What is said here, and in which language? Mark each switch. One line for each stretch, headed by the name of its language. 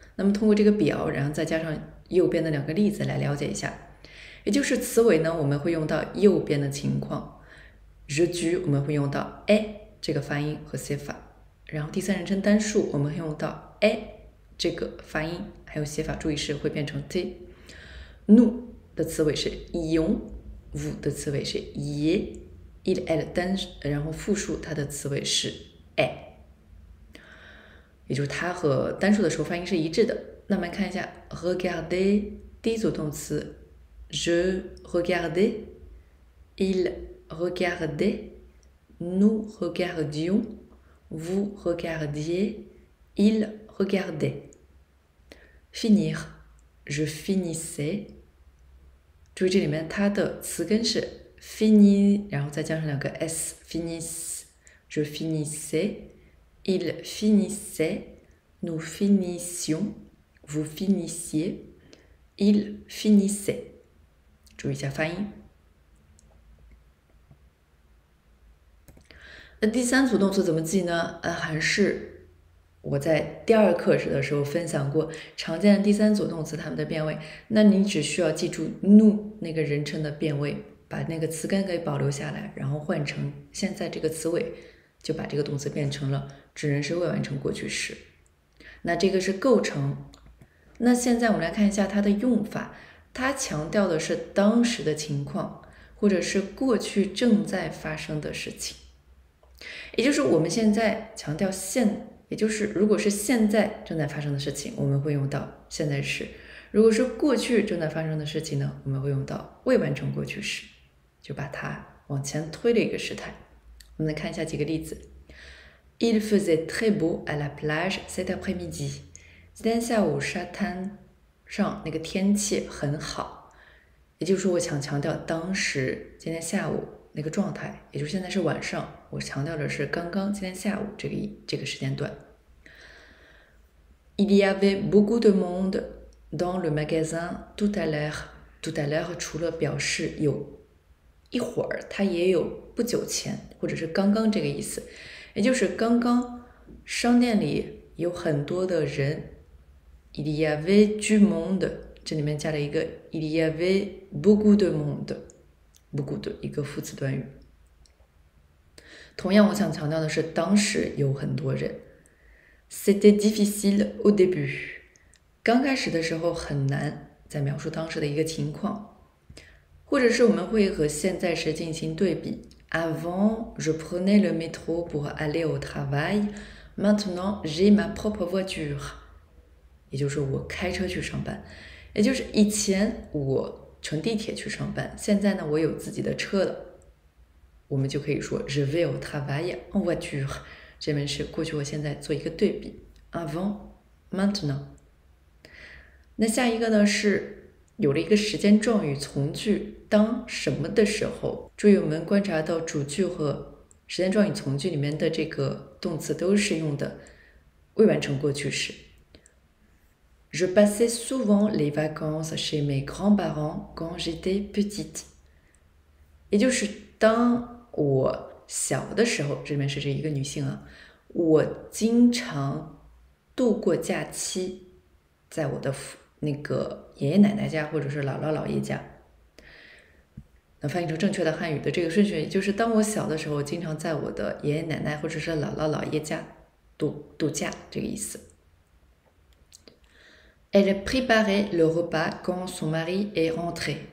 Chinese: 那么通过这个表，然后再加上右边的两个例子来了解一下，也就是词尾呢，我们会用到右边的情况，je tu 我们会用到 a 这个发音和写法，然后第三人称单数我们会用到 a 这个发音，还有写法，注意是会变成 t，nous 的词尾是 ion，vous 的词尾是 ie，il est 单，然后复数它的词尾是 a。也就是它和单数的时候发音是一致的。那我们看一下，
French: regarder 第一组动词，je regardais，il regardait，nous regardions，vous regardiez，il regardait。 Finir，je finissais。
Chinese: 注意这里面它的词根是 fini，然后再加上两个 s，finis，
French: je finissais，il finissait。 Nous finissions, vous finissiez, ils finissaient.
Chinese: 注意一下发音。那第三组动词怎么记呢？还是我在第二课时的时候分享过常见的第三组动词它们的变位。那你只需要记住 nous 那个人称的变位，把那个词根给保留下来，然后换成现在这个词尾，就把这个动词变成了指人是未完成过去时。那这个是构成，那现在我们来看一下它的用法，它强调的是当时的情况，或者是过去正在发生的事情，也就是我们现在强调现，也就是如果是现在正在发生的事情，我们会用到现在时；如果是过去正在发生的事情呢，我们会用到未完成过去时，就把它往前推了一个时态。我们来看一下几个例子。
French: Il faisait très beau à la plage cet après-midi。
Chinese: 今天下午沙滩上那个天气很好，也就是我想强调当时今天下午那个状态，也就是现在是晚上，我强调的是刚刚今天下午这个时间段。
French: Il y avait beaucoup de monde dans le magasin tout à l'heure。
Chinese: tout à l'heure 除了表示有一会儿，它也有不久前或者是刚刚这个意思。也就是刚刚商店里有很多的人，
French: il y avait du monde，
Chinese: 这里面加了一个
French: il y avait beaucoup de monde，
Chinese: 不顾的一个副词短语。同样，我想强调的是，当时有很多人。
French: C'était difficile au début，
Chinese: 刚开始的时候很难再描述当时的一个情况，或者是我们会和现在时进行对比。
French: Avant, je prenais le métro pour aller au travail. Maintenant, j'ai ma propre voiture.
Chinese: 也就是我开车去上班，也就是以前我乘地铁去上班，现在呢，我有自己的车了。我们就可以说
French: Je vais au travail en voiture。
Chinese: 这边是过去和现在做一个对比，avant, maintenant。那下一个呢是有了一个时间状语从句，当什么的时候？注意我们观察到主句和时间状语从句里面的这个动词都是用的未完成过去式。
French: Je passais souvent les vacances chez mes grands-parents quand j'étais petite。
Chinese: 也就是当我小的时候，这边是指一个女性啊。我经常度过假期，在我的那个爷爷奶奶家或者是姥姥姥爷家。那翻译成正确的汉语的这个顺序，就是当我小的时候，经常在我的爷爷奶奶或者是姥姥姥爷家度假这个意思。
French: Elle préparait le repas quand son mari est rentré。